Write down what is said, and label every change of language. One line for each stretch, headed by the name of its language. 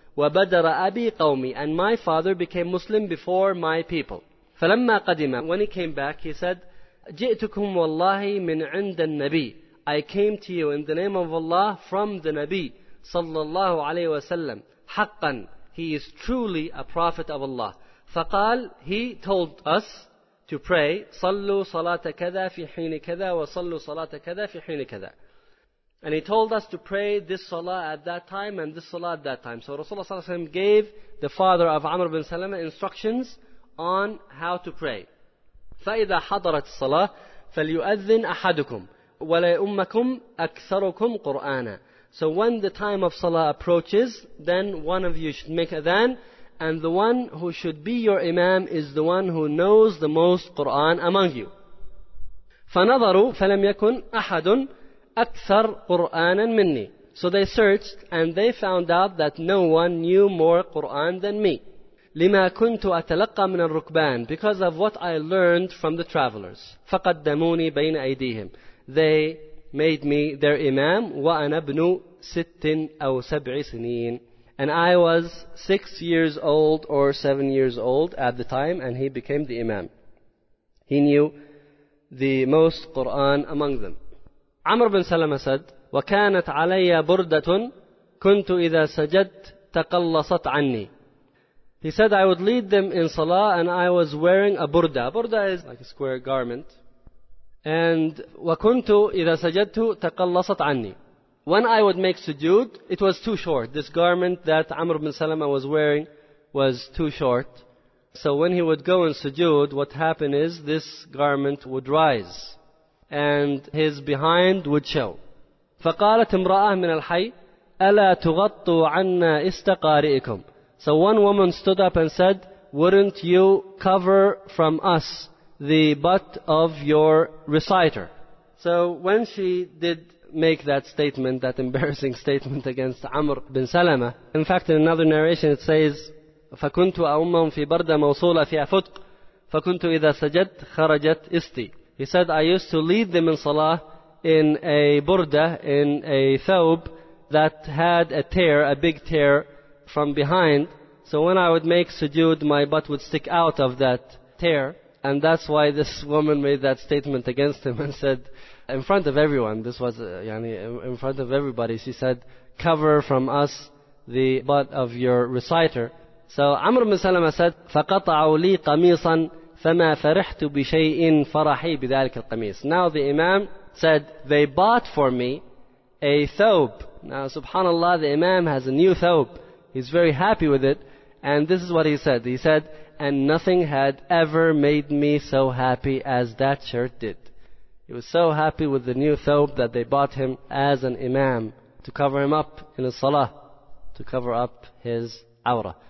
Arabic: Wa badara abi qawmi,
English: and my father became Muslim before my people.
Arabic: Falamma qadima,
English: when he came back, he said,
Arabic: ji'tukum wallahi min 'inda an-nabi.
English: I came to you in the name of Allah from the Nabi sallallahu alaihi wasallam.
Arabic: Haqqan,
English: he is truly a prophet of Allah.
Arabic: Faqal,
English: he told us to pray,
Arabic: صَلُّوا صَلَاتَ كَذَا فِي حِينِ كَذَا وَصَلُّوا صَلَاتَ كَذَا فِي حِينِ كَذَا.
English: And he told us to pray this salah at that time and this salah at that time. So Rasulullah ﷺ gave the father of Amr bin Salama instructions on how to pray.
Arabic: فَإِذَا حَضَرَتِ الصَّلَاةِ فَلْيُؤَذِّنْ أَحَدُكُمْ وَلَيُمَّكُمْ أَكْثَرُكُمْ قُرْآنًا.
English: So when the time of salah approaches, then one of you should make adhan, and the one who should be your imam is the one who knows the most Qur'an among you.
Arabic: فَنَظَرُوا فَلَمْ يَكُنْ أَحَدٌ أَكْثَرْ قُرْآنًا مِنِّي.
English: So they searched and they found out that no one knew more Qur'an than me.
Arabic: لِمَا كُنْتُ أَتَلَقَّى مِنَ الرُّكْبَانِ,
English: because of what I learned from the travelers.
Arabic: فَقَدَّمُونِي بَيْنَ أَيْدِيهِمْ,
English: they made me their imam.
Arabic: وَأَنَا بْنُ سِتٍ أَوْ سَبْعِ سِنِينَ,
English: and I was 6 years old or 7 years old at the time, and he became the imam. He knew the most Qur'an among them. Amr bin Salama said,
Arabic: وَكَانَتْ عَلَيَّ بُرْدَةٌ كُنْتُ إِذَا سَجَدْتَ تَقَلَّصَتْ عَنِّي.
English: He said, I would lead them in salah, and I was wearing a burda. Burda is like a square garment.
Arabic: And وَكُنْتُ إِذَا سَجَدْتُ تَقَلَّصَتْ عَنِّي.
English: When I would make sujood, it was too short. This garment that Amr bin Salama was wearing was too short. So when he would go in sujood, what happened is this garment would rise and his behind would show.
Arabic: فَقَالَتْ امْرَأَةٌ مِنَ الْحَيِّ أَلَا تُغَطُّوا عَنَّا إِسْتَقَارِئِكُمْ.
English: So one woman stood up and said, wouldn't you cover from us the butt of your reciter? So when she did make that statement, that embarrassing statement against Amr bin Salama. In fact, in another narration it says,
Arabic: فَكُنْتُ أَوْمًا فِي بَرْدَ مَوْصُولَ فِي أَفُتْقُ فَكُنْتُ إِذَا سَجَدْ خَرَجَتْ إِسْتِي.
English: He said, I used to lead them in salah in a burda, in a thawb that had a tear, a big tear from behind. So when I would make sujood, my butt would stick out of that tear And that's why this woman made that statement against him and said, in front of everyone, this was in front of everybody, she said, cover from us the butt of your reciter. So Amr ibn Salama said,
Arabic: فَقَطَعُوا لِي قَمِيصًا فَمَا فَرِحْتُ بِشَيْءٍ فَرَحِي بِذَلِكَ الْقَمِيصِ.
English: Now the Imam said, they bought for me a thawb. Now subhanAllah, the Imam has a new thawb. He's very happy with it. And this is what he said. He said, and nothing had ever made me so happy as that shirt did. He was so happy with the new thawb that they bought him as an imam to cover him up in his salah, to cover up his awra.